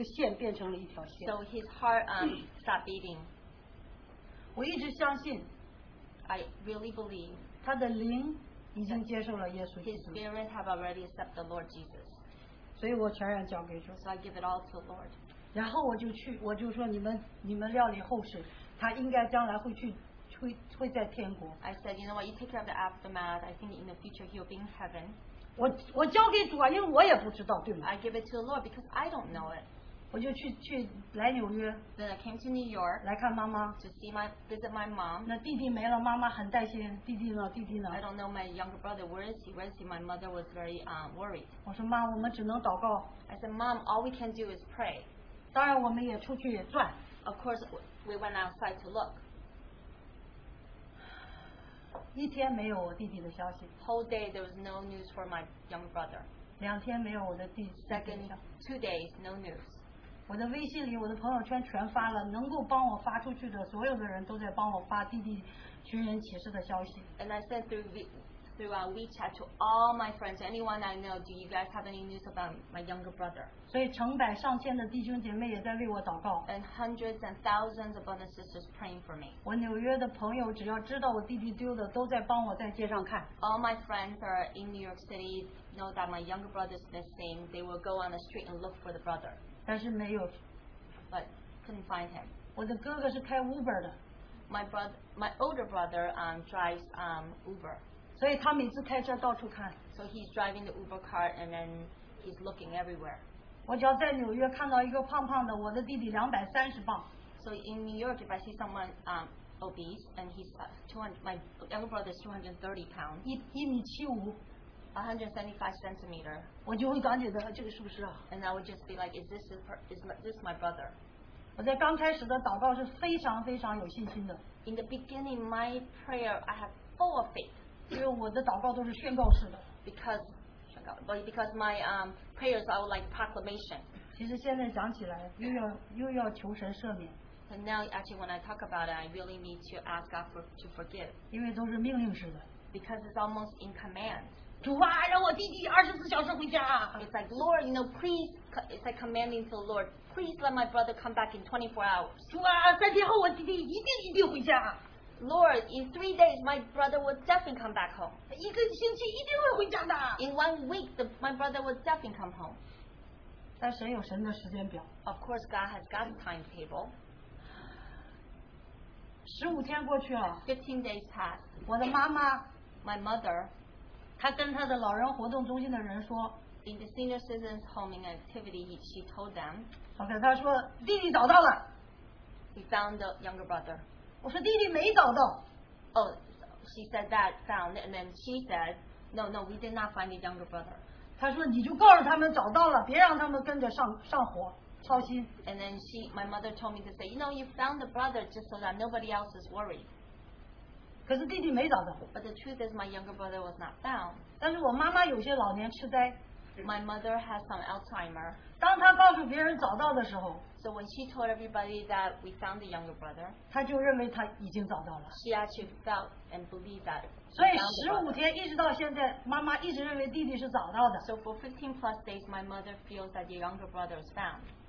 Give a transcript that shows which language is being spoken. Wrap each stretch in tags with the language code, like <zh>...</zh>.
<zh>他的心脏停止了呼吸，他的心脏停止跳动，他的那个线变成了一条线。</zh> <en>So his heart stopped beating.</en> <zh>我一直相信</zh> <en>I really believe</en> <zh>他的灵已经接受了耶稣基督。</zh> <en>His spirit have already accepted the Lord Jesus.</en> <zh>所以我全然交给主。</zh> <en>So I give it all to the Lord.</en> <zh>然后我就去，我就说你们料理后事，他应该将来会去，会在天国。</zh> <en>I said, you know what? You take care of the aftermath. I think in the future he'll be in heaven.</en> <zh>我交给主啊，因为我也不知道，对吗？</zh> <en>I give it to the Lord because I don't know it.</en> <zh>我就去来纽约。</zh> <en>Then I came to New York.</en> <zh>来看妈妈。</zh> <en>To see my visit my mom.</en> <zh>那弟弟没了，妈妈很担心弟弟呢，弟弟呢。</zh> <en>I don't know my younger brother. Where is he? Where is he? My mother was very worried.</en> <zh>我说妈，我们只能祷告。</zh> <en>I said, Mom, all we can do is pray.</en> <zh>当然我们也出去也转。</zh> <en>Of course, we went outside to look.</en> <zh>一天没有我弟弟的消息。</zh> <en>Whole day there was no news for my young brother.</en> <zh>两天没有我的弟弟。</zh> <en>Second, 2 days, no news.</en> <zh>我的微信里，我的朋友圈全发了，能够帮我发出去的，所有的人都在帮我发弟弟寻人启事的消息。</zh> <en>And I sent through WeChat to all my friends, anyone I know, do you guys have any news about my younger brother?</en> <zh>所以成百上千的弟兄姐妹也在为我祷告。</zh> <en>And hundreds and thousands of other sisters praying for me.</en> <zh>我纽约的朋友只要知道我弟弟丢了，都在帮我在街上看。</zh> <en>All my friends are in New York City, know that my younger brother is missing, they will go on the street and look for the brother.</en> <zh>但是没有,</zh> <en>but couldn't find him.</en> <zh>我的哥哥是开 Uber 的。</zh> <en>My older brother drives Uber.</en> <zh>所以他每次开车到处看。</zh> <en>So he's driving the Uber car and then he's looking everywhere.</en> <zh>我只要在纽约看到一个胖胖的，我的弟弟230磅。</zh> <en>So in New York, if I see someone obese, and he's 200. My younger brother is 230 pounds.</en> <zh>一米七五.</zh> <en>175 centimeter.</en> <zh>我就会感觉到这个是不是啊?</zh> <en>And I would just be like, is this my brother?</en> <zh>我在刚开始的祷告是非常非常有信心的.</zh> <en>In the beginning, my prayer, I have full of faith.</en> <zh>因为我的祷告都是宣告式的.</zh> <en>Because my prayers are like proclamation.</en> <zh>其实现在想起来，又要求神赦免.</zh> <en>And now, actually, when I talk about it, I really need to ask God to forgive.</en> <zh>因为都是命令式的.</zh> <en>Because it's almost in command.</en> <zh>主啊，让我弟弟24小时回家.</zh> <en>It's like, Lord, you know, please. It's like commanding to the Lord, please let my brother come back in 24 hours.</en> <zh>主啊，3天后我弟弟一定一定回家.</zh> <en>Lord, in 3 days, my brother will definitely come back home.</en> <zh>一个星期一定会回家的.</zh> <en>In 1 week, my brother will definitely come home.</en> <zh>但神有神的时间表.</zh> <en>Of course, God has God's timetable.</en> <zh>15天过去了.</zh> <en>15 days passed.</en> <zh>我的妈妈,</zh> <en>my mother,</en> <zh>她跟她的老人活动中心的人说,</zh> <en>in the senior citizens' homing activity, she told them,</en> <zh>okay, 她说, 弟弟找到了.</zh> <en>He found the younger brother.</en> <zh>我说弟弟没找到.</zh> <en>Oh, she said that found, and then she said, no, we did not find the younger brother.</en> <zh>她说你就告诉他们找到了, 别让他们跟着上火, 操心.</zh> <en>And then my mother told me to say, you know, you found the brother just so that nobody else is worried.</en> <zh>可是弟弟没找到.</zh> <en>But the truth is, my younger brother was not found.</en> <zh>但是我妈妈有些老年痴呆.</zh> <en>My mother has some Alzheimer.</en> <zh>当她告诉别人找到的时候,</zh> <en>so when she told everybody that we found the younger brother,</en> <zh>她就认为她已经找到了.</zh> <en>She actually felt and believed that.</en> <zh>所以15天一直到现在, 妈妈一直认为弟弟是找到的.</zh> <en>So for 15 plus days, my mother feels that the younger brother is found.</en>